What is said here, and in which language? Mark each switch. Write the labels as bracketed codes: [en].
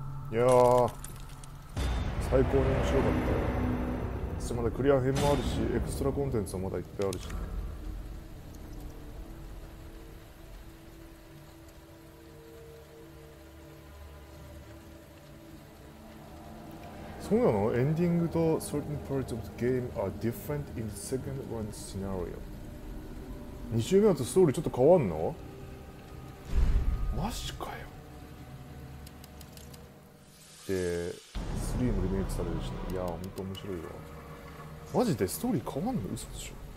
[ja] いやー最高に面白かったよ。そしてまだクリア編もあるし、エクストラコンテンツもまだいっぱいあるし、ね、そうなの？エンディングと [en] certain parts of the game are different in the second one scenario。 [ja] 2周目だとストーリーちょっと変わんの？マジかよ。で3もリメイクされるし、ね、いやーほんと面白いわマジで。ストーリー変わんの？嘘でしょ。